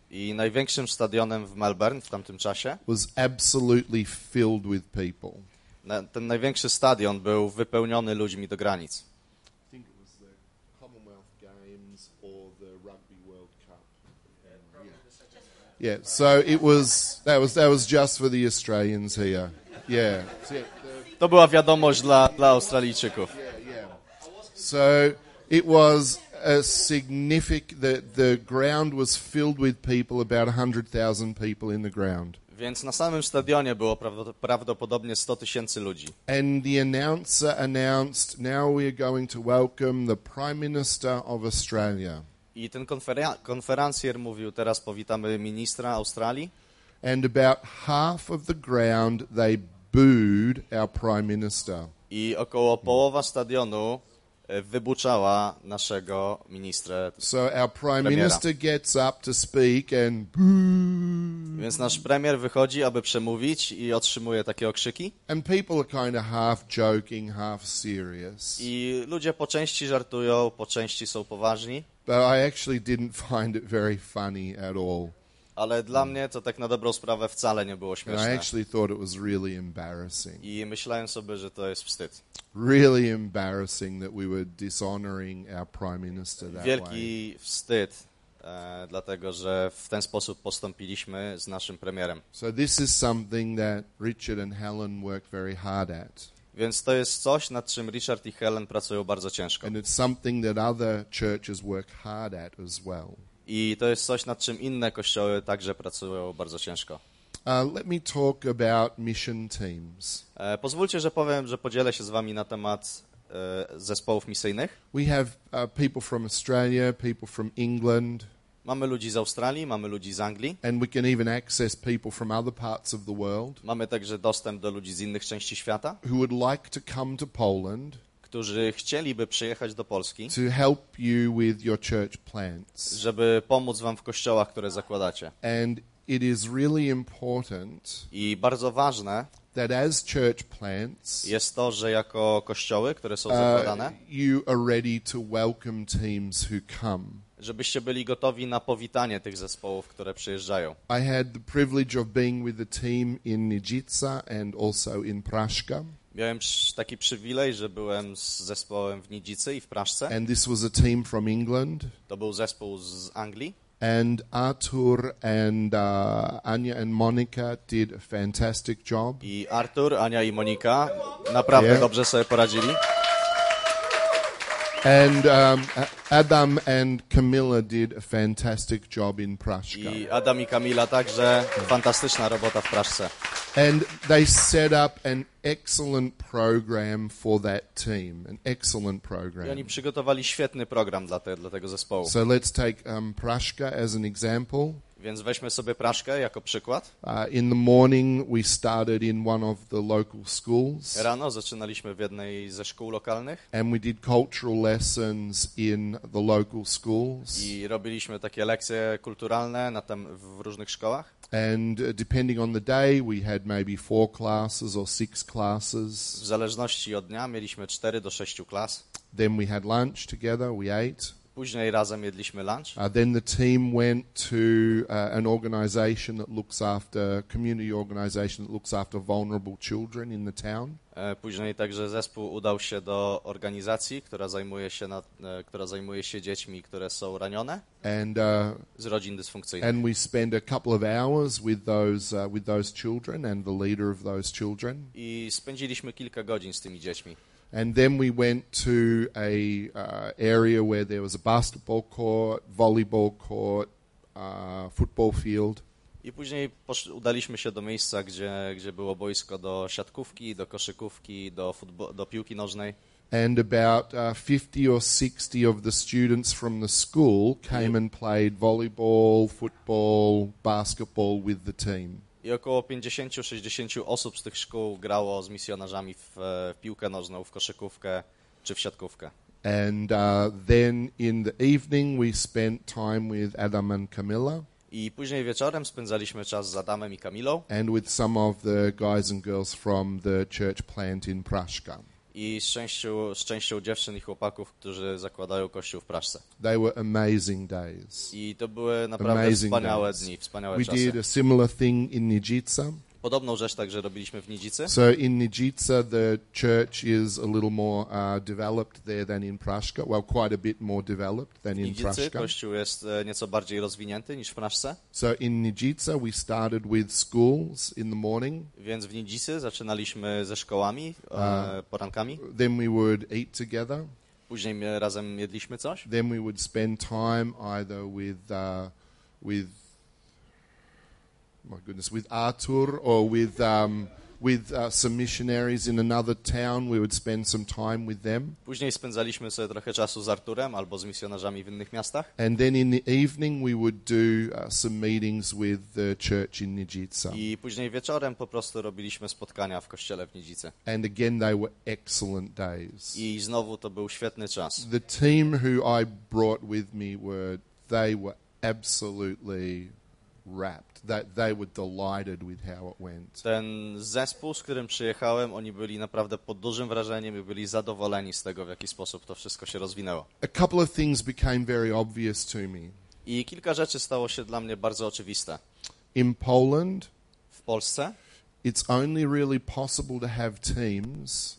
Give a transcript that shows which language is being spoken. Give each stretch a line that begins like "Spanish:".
Polish: I największym stadionem w Melbourne w tamtym czasie
English: was absolutely filled with people. Ten największy stadion był wypełniony ludźmi do granic. I think it was the Commonwealth Games or the Rugby World Cup. Yeah, so it was that was just for the Australians here. Yeah.
Polish: To była wiadomość dla Australijczyków.
English: So it was a significant, the ground was filled with people, about 100,000 people in the ground.
Polish: Więc na samym stadionie było prawdopodobnie 100 tysięcy ludzi.
English: And the announcer announced, now we are going to welcome the Prime Minister of Australia.
Polish: I ten konferencjer mówił, teraz powitamy ministra Australii.
English: And about half of the ground, they booed our Prime Minister.
Polish: I około połowa stadionu wybuczała naszego ministra.
English: So our prime minister gets up to speak and boo.
Polish: Więc nasz premier wychodzi, aby przemówić i otrzymuje takie okrzyki.
English: And people are kind of half joking, half serious.
Polish: I ludzie po części żartują, po części są poważni.
English: But I actually didn't find it very funny at all.
Polish: Ale dla mnie to tak na dobrą sprawę wcale nie było śmieszne.
English: And I actually thought it was really embarrassing.
Polish: I myślałem sobie, że to jest wstyd.
English: Really embarrassing that we were dishonoring our prime minister that
Polish: Wielki
English: way.
Polish: Wielki wstyd, dlatego że w ten sposób postąpiliśmy z naszym premierem.
English: So this is something that Richard and Helen work very hard at.
Polish: Więc to jest coś, nad czym Richard i Helen pracują bardzo ciężko.
English: And it's something that other churches work hard at as well.
Polish: I to jest coś, nad czym inne kościoły także pracują bardzo ciężko.
English: Let me talk about mission teams.
Polish: Pozwólcie, że powiem, że podzielę się z wami na temat zespołów misyjnych.
English: We have people from Australia, people from England.
Polish: Mamy ludzi z Australii, mamy ludzi z Anglii.
English: And we can even access people from other parts of the world.
Polish: Mamy także dostęp do ludzi z innych części świata.
English: Who would like to come to Poland?
Polish: Którzy chcieliby przyjechać do Polski.
English: To help you with your church plants.
Polish: Żeby pomóc wam w kościołach, które zakładacie.
English: And it is really important.
Polish: I bardzo ważne.
English: That as church plants,
Polish: jest to, że jako kościoły, które są zakładane,
English: you are ready to welcome teams who come.
Polish: Żebyście byli gotowi na powitanie tych zespołów, które przyjeżdżają.
English: I had the privilege of being with the team in Nidzica and also in Praszka.
Polish: Miałem taki przywilej, że byłem z zespołem w Nidzicy i w Praszce.
English: And this was a team from England.
Polish: To był zespół z Anglii.
English: And Artur and Anya and Monica did a fantastic job.
Polish: I Artur, Ania i Monika naprawdę
English: yeah.
Polish: dobrze sobie poradzili.
English: And Adam and Camilla did a fantastic job in Praszka.
Polish: I Adam i Kamila także fantastyczna robota w Praszce.
English: And they set up an excellent program for that team, an excellent program.
Polish: I oni przygotowali świetny program dla tego zespołu.
English: So let's take Praszka as an example.
Polish: Więc weźmy sobie Praszkę jako przykład.
English: In the morning we started in one of the local schools.
Polish: Rano zaczynaliśmy w jednej ze szkół lokalnych.
English: And we did cultural lessons in the local schools.
Polish: I robiliśmy takie lekcje kulturalne na tam w różnych szkołach.
English: And depending on the day, we had maybe 4 classes or 6 classes.
Polish: W zależności od dnia mieliśmy 4 do 6 klas.
English: Then we had lunch together, we ate.
Polish: Później razem jedliśmy lunch.
English: Then the team went to an organization that looks after, community organization that looks after vulnerable children in the town.
Polish: Później także zespół udał się do organizacji, która zajmuje się dziećmi, które są ranione z rodzin dysfunkcyjnych.
English: And we spend a couple of hours with those children and the leader of those children.
Polish: I spędziliśmy kilka godzin z tymi dziećmi.
English: And then we went to a area where there was a basketball court, volleyball court, football field.
Polish: I później udaliśmy się do miejsca, gdzie było boisko do siatkówki, do koszykówki, do piłki nożnej.
English: And about 50 or 60 of the students from the school came and played volleyball, football, basketball with the team.
Polish: I około 50-60 osób z tych szkół grało z misjonarzami w piłkę nożną, w koszykówkę czy w siatkówkę.
English: And then in the evening we spent time with Adam and Camilla.
Polish: I później wieczorem spędzaliśmy czas z Adamem i Kamilą.
English: And with some of the guys and girls from the church plant in Praszka.
Polish: I z częścią dziewczyn i chłopaków, którzy zakładają kościół w Praszce.
English: They were amazing days.
Polish: I to były naprawdę
English: amazing
Polish: wspaniałe
English: days.
Polish: Dni, wspaniałe
English: We
Polish: czasy.
English: We did a similar thing in Nidzica.
Polish: Podobną rzecz także robiliśmy w Nidzicy.
English: So in Nidzica the church is a little more developed there than in Praszka. Well, quite a bit more developed than in Praszka.
Polish: W Nidzicy kościół jest nieco bardziej rozwinięty niż w Praszce.
English: So in Nidzica we started with schools in the morning.
Polish: Więc w Nidzicy zaczynaliśmy ze szkołami porankami.
English: Then we would eat together.
Polish: Później razem jedliśmy coś.
English: Then we would spend time either with Artur or with some missionaries in another town, we would spend some time with them.
Polish: Później spędzaliśmy sobie trochę czasu z Arturem albo z misjonarzami w innych miastach.
English: And then in the evening we would do some meetings with the church in Nidzica.
Polish: I później wieczorem po prostu robiliśmy spotkania w kościele w Nidzicy.
English: And again they were excellent days.
Polish: I znowu to był świetny czas.
English: The team who I brought with me were absolutely wrapped, that they were delighted with how it went.
Polish: Ten zespół, z którym przyjechałem, oni byli naprawdę pod dużym wrażeniem i byli zadowoleni z tego, w jaki sposób to wszystko się rozwinęło.
English: A couple of things became very obvious to me.
Polish: I kilka rzeczy stało się dla mnie bardzo oczywiste.
English: In Poland,
Polish: w Polsce,
English: it's only really possible to have teams,